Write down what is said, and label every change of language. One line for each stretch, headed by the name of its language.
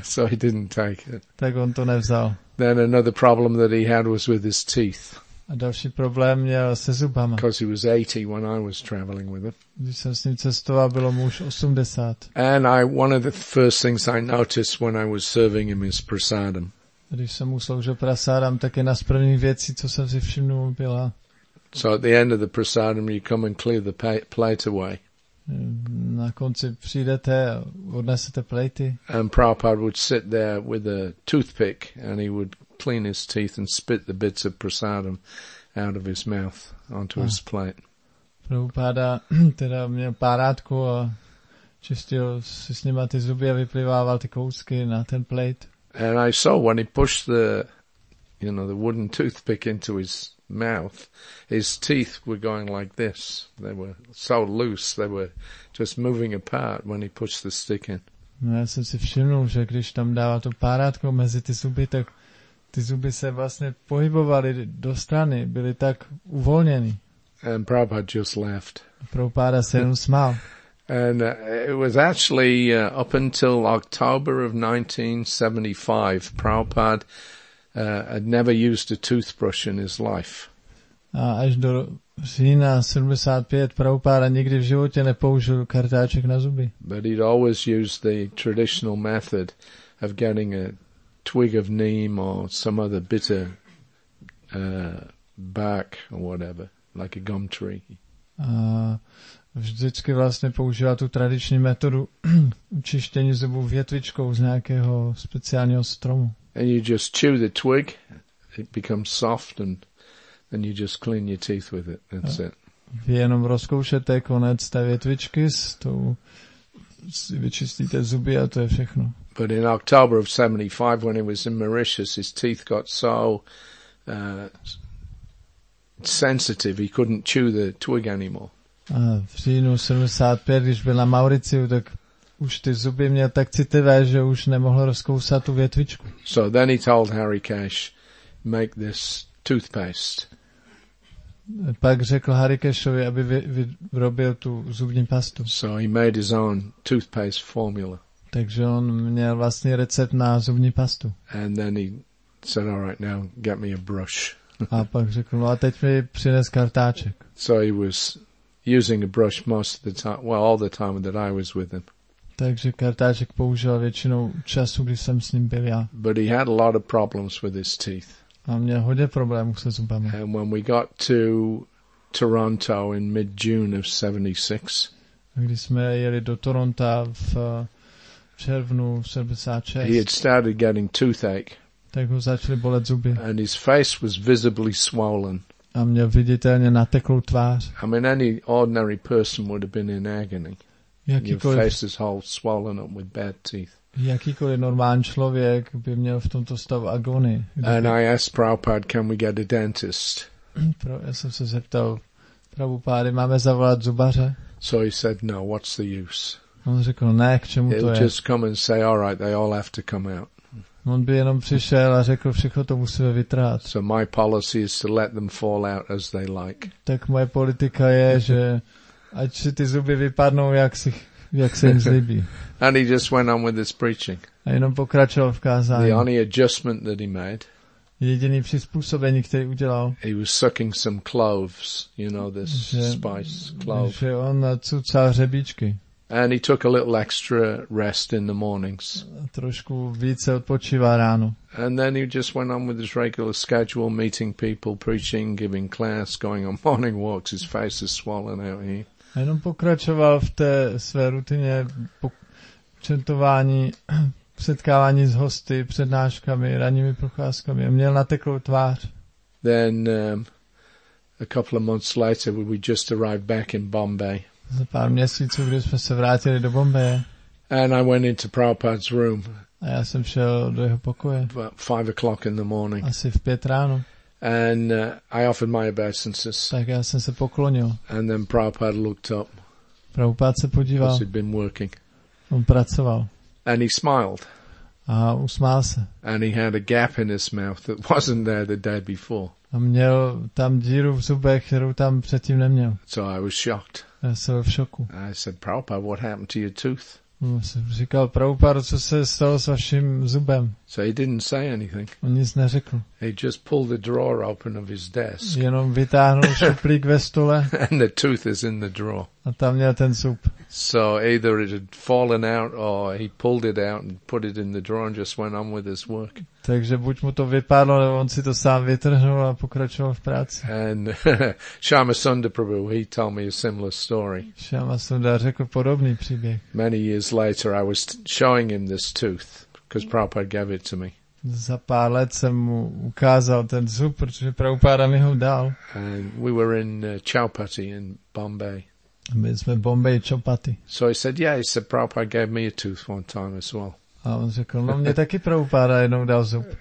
English: So he didn't take it.
Czech: Tak on to nevzal.
English: Then another problem that he had was with his teeth.
Czech: A další problém měl se zubama.
English: Because he was 80 when I was traveling with him.
Czech: Když jsem s ním cestoval, bylo mu už 80.
English: And one of the first things I noticed when I was serving him is prasadam.
Czech: Když jsem mu sloužil prasadam, tak jedna z prvních věcí, co jsem si všimnul, byla.
English: So at the end of the prasadam, you come and clear the plate away.
Czech: Na konci přijdete, odnesete plejty.
English: And Prabhupada would sit there with a toothpick and he would clean his teeth and spit the bits of prasadam out of his mouth onto his plate.
Czech: Prabhupada teda měl párátku a čistil si s nima ty zuby a vyplivával ty kousky na ten plate.
English: And I saw when he pushed the, you know, the wooden toothpick into his mouth, his teeth were going like this. They were so loose, they were just moving apart when he pushed the stick in.
Czech: No, já jsem si všiml, že když tam dával to párátko mezi ty zuby, tak ty zuby se vlastně pohybovaly do strany, byly tak uvolněny.
English: And Prabhupada just laughed.
Czech: Prabhupada se jenom smál.
English: And it was actually up until October of 1975, Prabhupada had never used a toothbrush in his life.
Czech: A až do října 75 Prabhupada nikdy v životě nepoužil kartáček na zuby.
English: But he'd always used the traditional method of getting a twig of neem or some other bitter bark or whatever, like a gum tree.
Czech: A vždycky vlastně používal tu tradiční metodu čištění zubů větvičkou z nějakého speciálního stromu.
English: And you just chew the twig, it becomes soft, and then you just clean your teeth with it. That's it.
Czech: Vy jenom rozkoušete konec té větvičky, s tou, si vyčistíte zuby a to je všechno.
English: But in October of 75, when he was in Mauritius, his teeth got so sensitive, he couldn't chew the twig anymore.
Czech: A v říjnu 75, když byl na Mauriciu, tak už ty zuby měl tak citlivé, že už nemohl rozkousat tu větvičku.
English: So then he told Harry Cash, make this toothpaste.
Czech: Pak řekl Harry Cashovi, aby vyrobil tu zubní pastu.
English: So he made his own toothpaste formula.
Czech: Takže on měl vlastní recept na zubní pastu.
English: And then he said, all right, now get me a brush.
Czech: A pak řekl, no a teď mi přines kartáček.
English: So he was using a brush most of the time, well, all the time that I was with him.
Czech: Takže kartáček používal většinou času, když jsem s ním byl já.
English: But he had a lot of problems with his teeth.
Czech: A měl hodně problémů se zubami.
English: And when we got to Toronto in mid-June of 76.
Czech: A když jsme jeli do Toronto v červnu 76.
English: He had started getting toothache.
Czech: Tak ho začaly bolet zuby.
English: And his face was visibly swollen.
Czech: A měl viditelně nateklou tvář.
English: I mean, any ordinary person would have been in agony. Your face is all swollen up with bad teeth.
Czech: Jakýkoliv normální člověk by měl v tomto stavu agonii.
English: And I asked Prabhupada, can we get a dentist?
Czech: Já jsem se zeptal Prabhupády, máme zavolat zubaře?
English: So he said, no, what's the use?
Czech: On řekl, ne, k čemu to je?
English: He'll just come and say, all right, they all have to come out.
Czech: On by jenom přišel a řekl, všechno to musíme vytrát.
English: So my policy is to let them fall out as they like.
Czech: Tak moje politika je, že ať si ty zuby vypadnou, jak se jim zlíbí.
English: And he just went on with his preaching.
Czech: A jenom pokračoval v kázání.
English: The only adjustment that he made.
Czech: Jediný přizpůsobení, který udělal.
English: He was sucking some cloves, you know, this spice clove.
Czech: Že on cucal hřebíčky.
English: And he took a little extra rest in the mornings.
Czech: A trošku více odpočívá ráno.
English: And then he just went on with his regular schedule, meeting people, preaching, giving class, going on morning walks. His face is swollen out here.
Czech: A jenom pokračoval v té své rutině čentování, setkávání s hosty, přednáškami, ranními procházkami. A měl nateklou tvář.
English: Then a couple of months later, we just arrived back in Bombay.
Czech: Za pár měsíců, když jsme se vrátili do Bombaje.
English: And I went into Prabhupada's room.
Czech: A já jsem šel do jeho pokoje.
English: About 5 o'clock in the morning.
Czech: Asi v 5 ráno.
English: And I offered my obeisances.
Czech: Tak já jsem se poklonil.
English: And then Prabhupada looked up.
Czech: Prabhupada se podíval.
English: He'd been working.
Czech: On pracoval.
English: And he smiled.
Czech: A usmál se.
English: And he had a gap in his mouth that wasn't there the day before.
Czech: A měl tam díru v zubech, kterou tam předtím neměl.
English: So I was shocked.
Czech: Já jsem v šoku.
English: I said, Prabhupada, what happened to your tooth?
Czech: Říkal, Prabhupada, co se stalo s vaším zubem?
English: So he didn't say anything.
Czech: On nic neřekl.
English: He just pulled the drawer open of his desk.
Czech: Jenom vytáhnul šuplík ve stole.
English: And the tooth is in the drawer.
Czech: A tam měl ten zub.
English: So either it had fallen out or he pulled it out and put it in the drawer and just went on with his work.
Czech: Takže buď mu to vypadlo, nebo on si to sám vytrhnul a pokračoval v práci.
English: And Shyama Sundar Prabhu, he told me a similar story.
Czech: Shyama Sundar řekl podobný příběh.
English: Many years later I was showing him this tooth because Prabhupada gave it to me.
Czech: Za pár let jsem mu ukázal ten zub, protože Prabhupada mi ho dal.
English: And we were in Chaupati in Bombay.
Czech: My jsme v Bombay Chaupati.
English: So he said, yeah, he said, Prabhupada gave me a tooth one time as well.
Czech: A on řekl, no mě taky Prabhupada jednou dal zub.